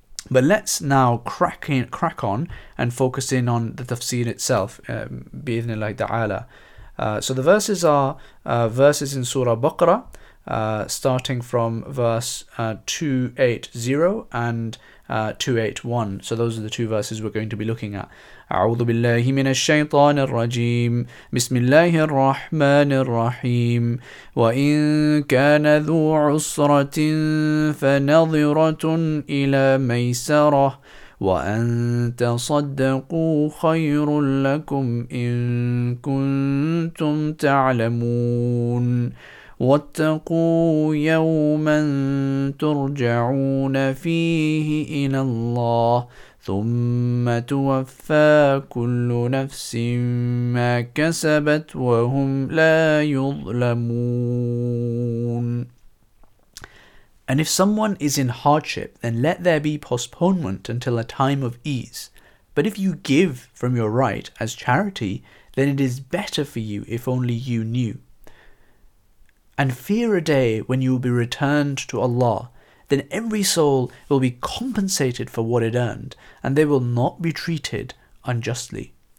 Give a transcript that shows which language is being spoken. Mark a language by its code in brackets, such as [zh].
[en] But let's now crack on and focus in on the tafsir itself, [ar] bi-ithnillahi ta'ala. [en] So the verses are verses in Surah Baqarah, starting from verse 280 and 281. So those are the two verses we're going to be looking at. [ar] أعوذ بالله من الشيطان الرجيم بسم الله الرحمن الرحيم وإن كان ذو عسرة فنظرة إلى ميسرة وأن تصدقوا خير لكم إن كنتم تعلمون واتقوا يوما ترجعون فيه إلى الله ثم توفى كل نفس ما كسبت وهم لا يظلمون. [en] And if someone is in hardship, then let there be postponement until a time of ease. But if you give from your right as charity, then it is better for you if only you knew. And fear a day when you will be returned to Allah, then every soul will be compensated for what it earned, and they will not be treated unjustly.